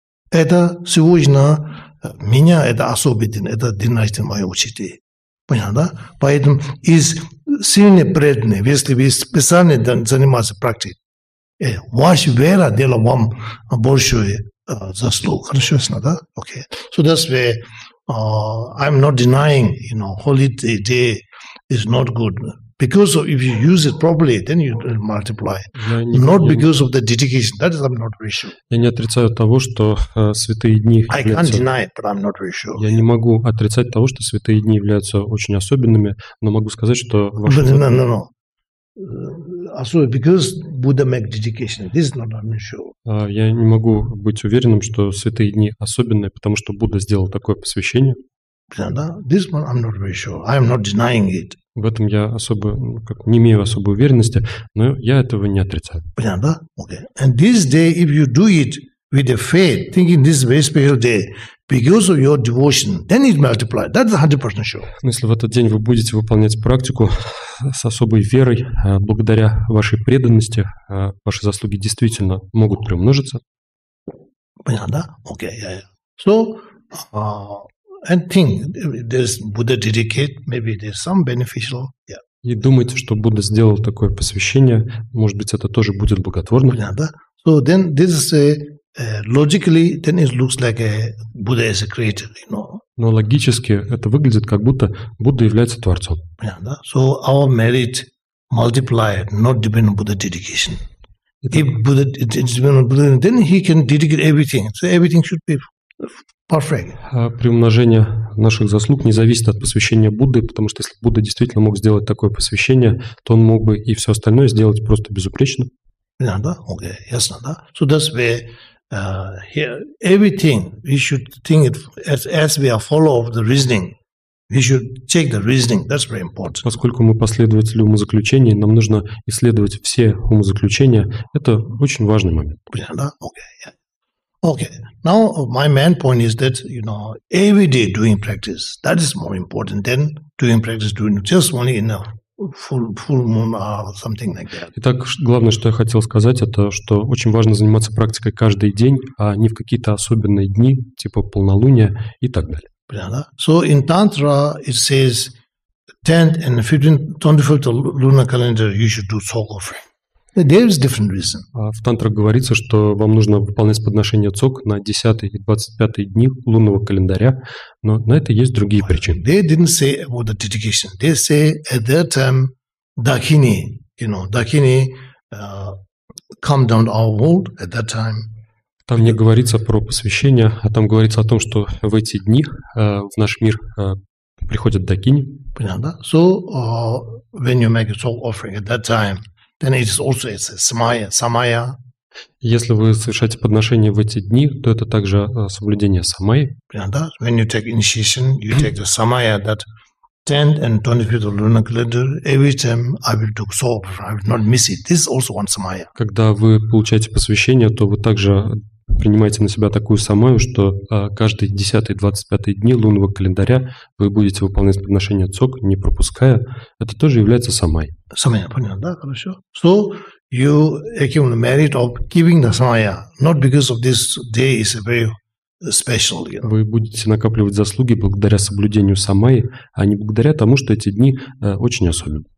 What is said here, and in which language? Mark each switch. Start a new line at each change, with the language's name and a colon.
Russian: Это сегодня меня, это особый день, это день рождения моего учителя. Понятно, да? Поэтому из сильной преданной, если вы специально занимаетесь практикой, ваша вера дала вам большую заслугу. Хорошо, ясно, да?
English: Okay. So that's why I'm not denying, you know, holiday day is not good. Because if you use it properly, then you multiply. Not because of the dedication. That is, I'm not very sure.
Russian: Я не отрицаю того, что святые дни...
English: I can't deny it, but I'm not very sure.
Russian: Я не могу отрицать того, что святые дни являются очень особенными, но могу сказать, что...
English: No. So because Buddha make dedication, this is not I'm sure.
Russian: Я не могу быть уверенным, что святые дни особенные, потому что Будда сделал такое посвящение.
English: This one I'm not very sure. I am not denying it.
Russian: В этом я особо, как, не имею особой уверенности, но я этого не отрицаю. Понятно?
English: Okay. And this day, if you do it with a faith, thinking this is a very special day, because of your devotion, then it multiplies. That's 100% sure.
Russian: Но если в этот день вы будете выполнять практику с особой верой, благодаря вашей преданности, ваши заслуги действительно могут приумножиться. Понятно?
English: Okay. Yeah, yeah. So, and think, there's Buddha dedicate, maybe there's some beneficial, yeah.
Russian: И думайте, что Будда сделал такое посвящение, может быть, это тоже будет благотворно. Понятно?
English: So then this is logically, then it looks like a Buddha is a creator, you know.
Russian: Но логически это выглядит, как будто Будда является Творцом. Понятно?
English: So our merit multiplied, not depend on Buddha dedication.
Russian: Итак,
English: if Buddha is depend on Buddha, then he can dedicate everything, so everything should be
Russian: приумножение наших заслуг не зависит от посвящения Будды, потому что если Будда действительно мог сделать такое посвящение, то он мог бы и все остальное сделать просто безупречно. Понятно, да? Окей, ясно, да?
English: So that's where here everything we should think it as we are follow of the reasoning. We should take the reasoning. That's very important.
Russian: Поскольку мы последователи умозаключений, нам нужно исследовать все умозаключения. Это очень важный момент. Понятно, да? Окей,
English: yeah. Okay. Now my main point is that, you know, every day doing practice, that is more important than doing practice doing just only in a full moon or something like that.
Russian: Итак, главное, что я хотел сказать, это что очень важно заниматься практикой каждый день, а не в какие-то особенные дни, типа полнолуния и так далее. Понятно?
English: So in Tantra it says 10th and 15th, 25th lunar calendar you should do soul offering. There is different reason.
Russian: В тантрах говорится, что вам нужно выполнять подношение цок на 10 и 25 дни лунного календаря, но на это есть другие причины.
English: They didn't say about the dedication. They say at that time, Dakini, you know, Dakini come down to our world at that time.
Russian: Там не говорится про посвящение, а там говорится о том, что в эти дни в наш мир приходят Дакини. Понятно?
English: So, when you make a soul offering at that time, then it is also it's a samaya, samaya.
Russian: Если вы совершаете подношение в эти дни, то это также соблюдение самаи.
English: When you take initiation, you take the samaya that 10th and 25th lunar calendar, every time I will do so, I will not miss it. This is also one samaya.
Russian: Когда вы получаете посвящение, то вы также принимаете на себя такую самаю, что каждые 10 и 25 дни лунного календаря вы будете выполнять подношение цок, не пропуская. Это тоже является самай. Самая, понятно, да, хорошо.
English: So you accumulate merit of giving the samaya, not because of this day is a very special. You know.
Russian: Вы будете накапливать заслуги благодаря соблюдению самаи, а не благодаря тому, что эти дни очень особенны.